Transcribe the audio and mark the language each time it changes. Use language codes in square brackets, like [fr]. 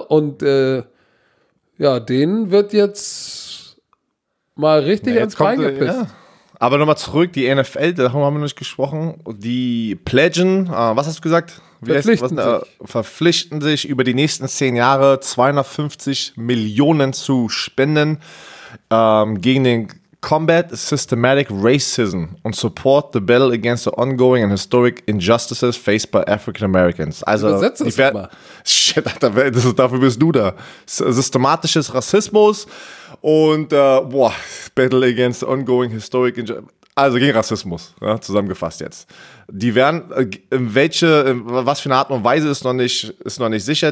[de] Und denen wird jetzt mal richtig ins Bein gepisst. Aber nochmal zurück, die NFL, darüber haben wir nicht gesprochen, die pledgen, was hast du gesagt? Verpflichten sich über die nächsten 10 Jahre 250 Millionen zu spenden gegen den [en] Combat systematic racism and support the battle against the ongoing and historic injustices faced by African Americans. [de] Also, übersetze ich werde. Shit, Alter, das ist, dafür bist du da. Systematisches Rassismus und [en] battle against the ongoing historic injustices. [de] Also gegen Rassismus, ja, zusammengefasst jetzt. Die werden, was für eine Art und Weise ist noch nicht sicher.